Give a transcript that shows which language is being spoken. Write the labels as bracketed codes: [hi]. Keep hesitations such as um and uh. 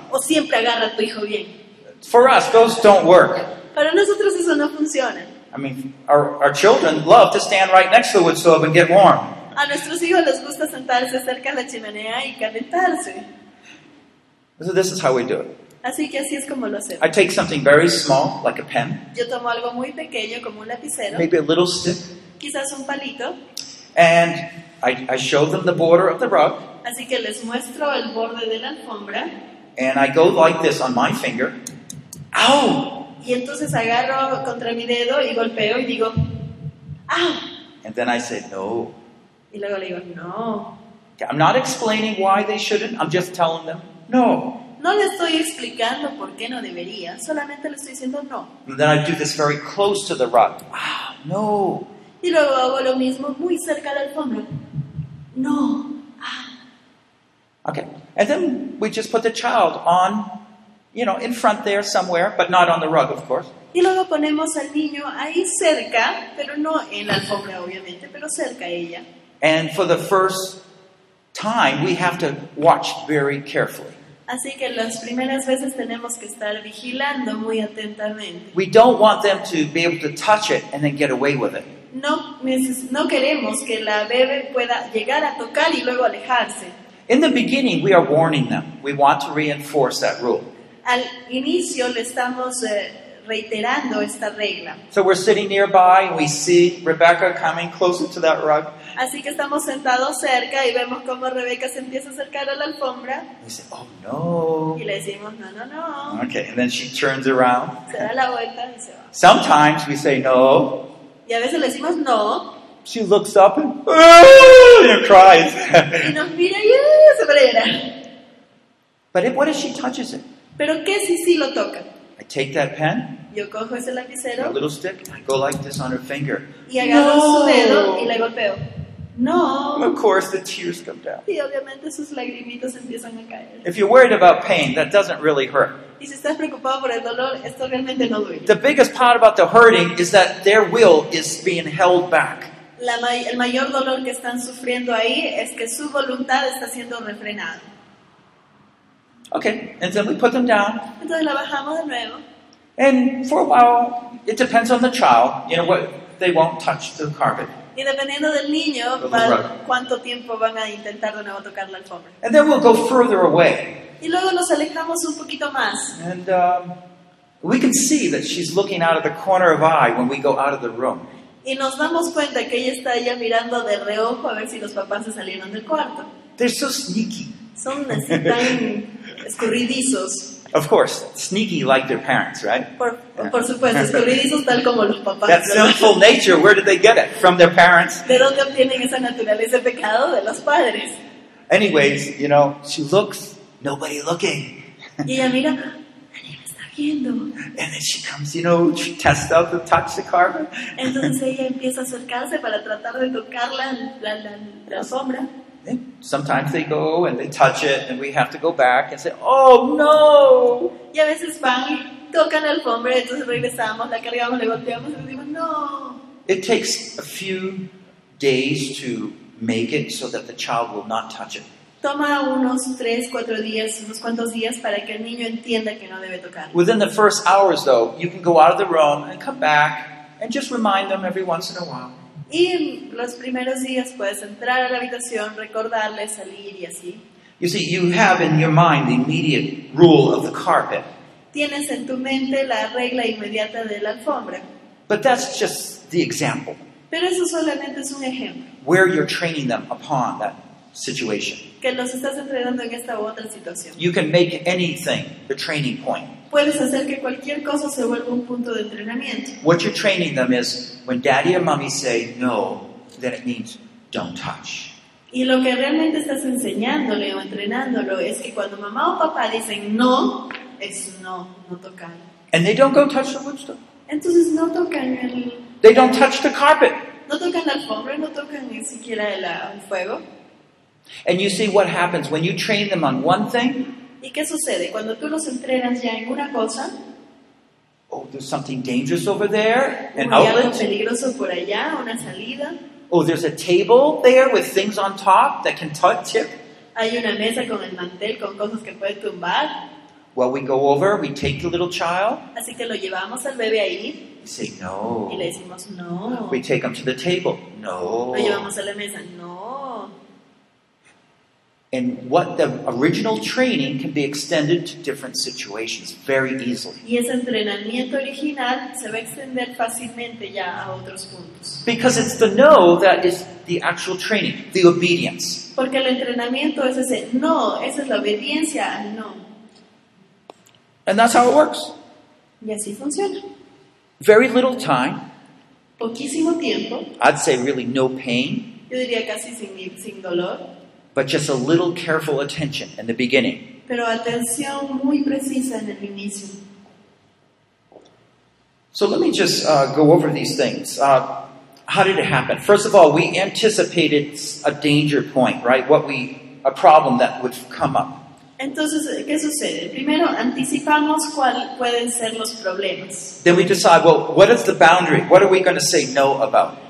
[es] O siempre agarra a tu hijo bien. [en] For us, those don't work. [es] Para nosotros eso no funciona. [en] I mean, our, our children love to stand right next to the wood stove and get warm. [es] A nuestros hijos les gusta sentarse cerca de la chimenea y calentarse. [en] So this is how we do it. [es] Así que así es como lo hacemos. [en] I take something very small, like a pen, [es] Yo tomo algo muy pequeño como un lapicero, [en] maybe a little stick, [es] quizás un palito, [en] and I, I show them the border of the rug, [es] así que les muestro el borde de la alfombra [en] and I go like this on my finger. Ow! [es] y entonces agarro contra mi dedo y golpeo y digo, ¡ah! [en] And then I say, no. [es] Y luego le digo, no. [en] I'm not explaining why they shouldn't, I'm just telling them, no. [es] No le estoy explicando por qué no debería, solamente le estoy diciendo no. [en] And then I do this very close to the rug. Ah, no. [es] Y luego hago lo mismo muy cerca de la alfombra. No. Ah. [en] Okay. And then we just put the child on, you know, in front there somewhere, but not on the rug, of course. [es] Y luego ponemos al niño ahí cerca, pero no en la alfombra obviamente, pero cerca a ella. [en] And for the first time, we have to watch very carefully. [es] Así que las primeras veces tenemos que estar vigilando muy atentamente. [en] We don't want them to be able to touch it and then get away with it. [es] No, neces- no queremos que la bebé pueda llegar a tocar y luego alejarse. [en] In the beginning, we are warning them. We want to reinforce that rule. [es] Al inicio le estamos eh, reiterando esta regla. [en] So we're sitting nearby and we see Rebecca coming closer to that rug. [es] Así que estamos sentados cerca y vemos cómo Rebeca se empieza a acercar a la alfombra [en] We say, Oh no. [es] y le decimos, no, no, no, [en] Okay, and then she turns around. [es] se da la vuelta y se va. [en] Sometimes we say no. [es] Y a veces le decimos no [en] She looks up and, "Ah," and cries. [es] y nos mira y ¡ah! se frena. [en] but if, what if she touches it? [es] Pero ¿qué si sí lo toca? [en] I take that pen, [es] Yo cojo ese [en] that [es] lapicero [en] little stick, and I go like this on her finger. [es] y agarro No. su dedo y le golpeo. No. [en] Of course, the tears come down. [es] Y obviamente sus lagrimitas empiezan a caer. [en] If you're worried about pain, that doesn't really hurt. [es] Y si estás preocupado por el dolor, esto realmente no duele. [en] The biggest part about the hurting is that their will is being held back. [es] La ma- el mayor dolor que están sufriendo ahí es que su voluntad está siendo refrenada. [en] Okay, and then we put them down, [es] Entonces la bajamos de nuevo. [en] and for a while, it depends on the child. You know what? They won't touch the carpet. [es] Y dependiendo del niño, Los va- borraron. cuánto tiempo van a intentar de nuevo tocar la alfombra. [en] And then we'll go further away, [es] Y luego nos alejamos un poquito más. [en] and um, we can see that she's looking out of the corner of eye when we go out of the room. [es] Y nos damos cuenta que ella está ya mirando de reojo a ver si los papás se salieron del cuarto. [en] They're so sneaky. [es] Son así tan escurridizos. [en] Of course, sneaky like their parents, right? [es] Por, por supuesto, escurridizos tal como los papás. [en] That [es] ¿verdad? [en] sinful nature, where did they get it? From their parents? [es] ¿De dónde obtienen esa naturaleza de pecado? De los padres. [en] Anyways, you know, she looks, nobody looking. [es] Y ella mira, nadie me está viendo. [en] And then she comes, you know, she tests out the touch the carpet. [es] Entonces ella empieza a acercarse para tratar de tocar la, la, la, la sombra. [en] And sometimes they go and they touch it, and we have to go back and say, oh no! [es] Y a veces van y tocan la alfombra, entonces regresamos, la cargamos, le golpeamos y decimos, no. [en] It takes a few days to make it so that the child will not touch it. [es] Toma unos tres, cuatro días, unos cuantos días para que el niño entienda que no debe tocar. [en] Within the first hours, though, you can go out of the room and come back and just remind them every once in a while. [es] Y los primeros días puedes entrar a la habitación, recordarle, salir y así. [en] You see, you have in your mind the immediate rule of the carpet, [es] Tienes en tu mente la regla inmediata de la alfombra. [en] but that's just the example. [es] Pero eso solamente es un ejemplo, [en] where you're training them upon that situation. [es] que los estás entrenando en esta u otra situación. [en] You can make anything the training point. [es] Puedes hacer que cualquier cosa se vuelva un punto de entrenamiento. [en] What you're training them is when daddy and mommy say no, then it means don't touch. [es] Y lo que realmente estás enseñándole o entrenándolo es que cuando mamá o papá dicen no, es no, no tocar. [en] And they don't go touch the wood stove. [es] Entonces no tocan el... [en] They don't touch the carpet. [es] No tocan la alfombra, no tocan ni siquiera el, ah, el fuego. [en] And you see what happens when you train them on one thing, [es] ¿Y qué sucede? Cuando tú los entrenas ya en una cosa, [en] oh, there's something dangerous over there, an [es] ¿Hay algo [en] outlet. [es] peligroso por allá? ¿Una salida? [en] Oh, there's a table there with things on top that can touch tip. [es] ¿Hay una mesa con el mantel con cosas que puede tumbar? [en] Well, we go over, we take the little child. [es] Así que lo llevamos al bebé ahí [en] We say, [es] y le no. decimos no. [en] We take him to the table. [es] Lo No. llevamos a la mesa. No. [en] And what the original training can be extended to different situations very easily. [es] Y ese entrenamiento original se va a extender fácilmente ya a otros puntos. [en] Because it's the no that is the actual training, the obedience. [es] Porque el entrenamiento es ese no, esa es la obediencia al no. [en] And that's how it works. [es] Y así funciona. [en] Very little time, [es] Poquísimo tiempo, [en] I'd say really no pain, [es] yo diría casi sin, sin dolor, [en] but just a little careful attention in the beginning. [es] pero atención muy precisa en el inicio. [en] So let me just uh, go over these things. Uh, how did it happen? First of all, we anticipated a danger point, right? What we, a problem that would come up. [es] Entonces, ¿qué sucede? Primero, anticipamos cuáles pueden ser los problemas. [en] Then we decide, well, what is the boundary? What are we going to say no about?